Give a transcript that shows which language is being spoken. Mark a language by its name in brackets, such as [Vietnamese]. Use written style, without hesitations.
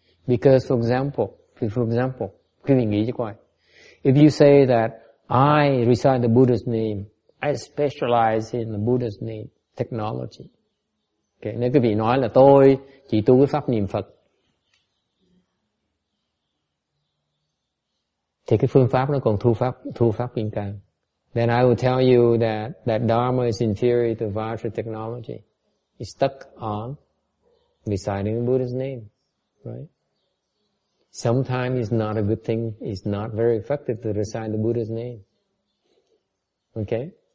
[English] Because for example, [Vietnamese] quý vị nghĩ chứ coi. [English] If you say that I recite the Buddha's name, I specialize in the Buddha's name technology. [Vietnamese] Okay, nếu quý vị nói là tôi chỉ tu cái pháp niệm Phật, thì cái phương pháp nó còn thu pháp kim cang. [English] then I will tell you that that Dharma is inferior to Vajra technology. It's stuck on reciting the Buddha's name, right? Sometimes it's not a good thing, it's not very effective to recite the Buddha's name. Okay?